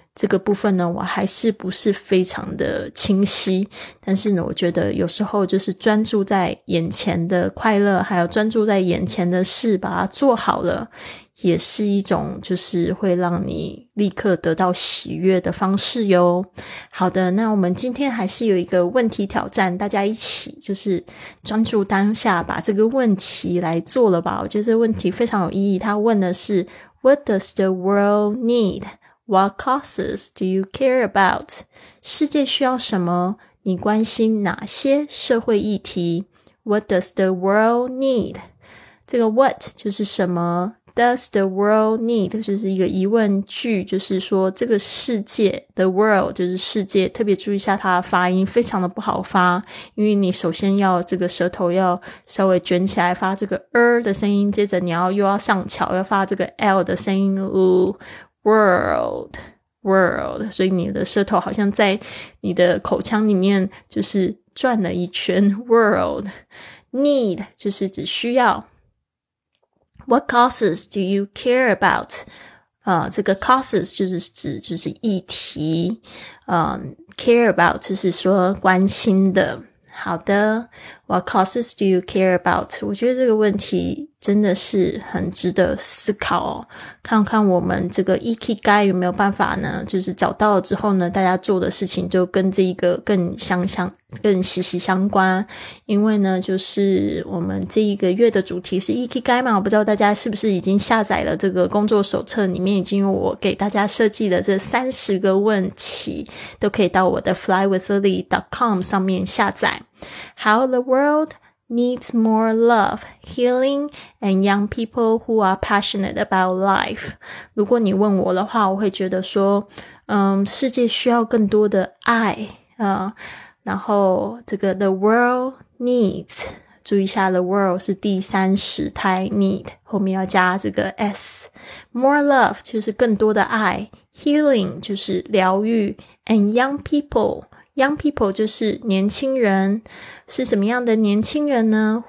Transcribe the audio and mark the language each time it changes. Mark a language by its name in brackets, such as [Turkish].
[Chinese] 这个部分呢我还是不是非常的清晰，但是呢我觉得有时候就是专注在眼前的快乐还有专注在眼前的事把它做好了，也是一种就是会让你立刻得到喜悦的方式哟。好的，那我们今天还是有一个问题挑战，大家一起就是专注当下把这个问题来做了吧。我觉得这个问题非常有意义，他问的是 [English] What does the world need? What causes do you care about? [Chinese] 世界需要什么？你关心哪些社会议题？ [English] What does the world need? [Chinese] 这个 what 就是什么， [English] does the world need [Chinese] 就是一个疑问句，就是说这个世界， the world 就是世界，特别注意一下它的发音非常的不好发，因为你首先要这个舌头要稍微卷起来发这个 r 的声音，接着你要又要上翘要发这个 l 的声音。 world world， 所以你的舌头好像在你的口腔里面就是转了一圈。 world need 就是指需要。 [English] What causes do you care about？ [Chinese] 这个 causes 就是指就是议题，care about 就是说关心的。好的， [English] What causes do you care about？ [Chinese] 我觉得这个问题真的是很值得思考哦，看看我们这个 Ikigai 有没有办法呢，就是找到了之后呢，大家做的事情就跟这一个更息息相关。因为呢，就是我们这一个月的主题是 Ikigai 嘛，我不知道大家是不是已经下载了这个工作手册，里面已经有我给大家设计的这30个问题，都可以到我的 flywithlily.com 上面下载。 [English] How the worldneeds more love, healing, and young people who are passionate about life. [Chinese] 如果你问我的话，我会觉得说，世界需要更多的爱，然后这个 [English] the world needs， [Chinese] 注意一下 the world 是第三时态 need， 后面要加这个 s， more love 就是更多的爱， healing 就是疗愈， [English] and young people，Young people [Chinese] 就是年轻人，是什么样的年轻人呢？